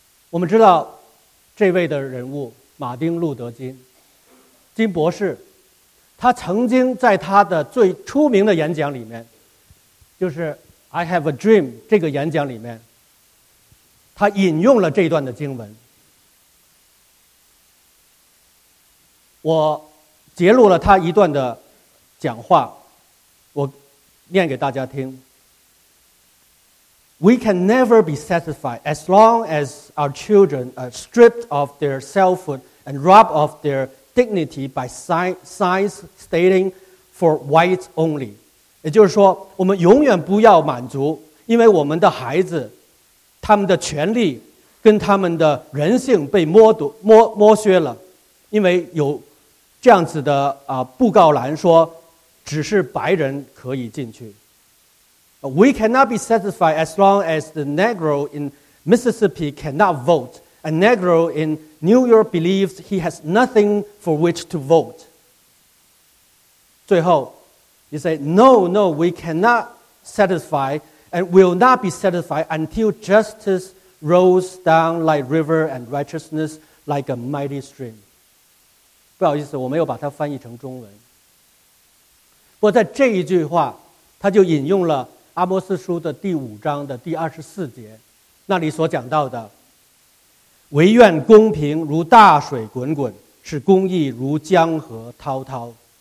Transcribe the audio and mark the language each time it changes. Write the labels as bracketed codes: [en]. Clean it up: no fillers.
[zh] 我们知道这位的人物马丁·路德·金，金博士，他曾经在他的最出名的演讲里面，就是 [en] I have a dream [zh] 这个演讲里面，他引用了这段的经文。我截录了他一段的讲话，我念给大家听。 [en] We can never be satisfied as long as our children are stripped of their selfhood and robbed of their dignity by signs stating for whites only. [zh] 也就是说，我们永远不要满足，因为我们的孩子，他们的权利跟他们的人性被剥削了，因为有这样子的布告栏说只是白人可以进去。 [en] We cannot be satisfied as long as the Negro in Mississippi cannot vote. A Negro in New York believes he has nothing for which to vote. [zh] 最后 [en] you say, No, we cannot satisfy and will not be satisfied until justice rolls down like river and righteousness like a mighty stream. [zh] 不好意思，我没有把它翻译成中文。不过在这一句话，他就引用了阿摩斯书的第五章的第24节，那里所讲到的，唯愿公平如大水滚滚，使公义如江河滔滔。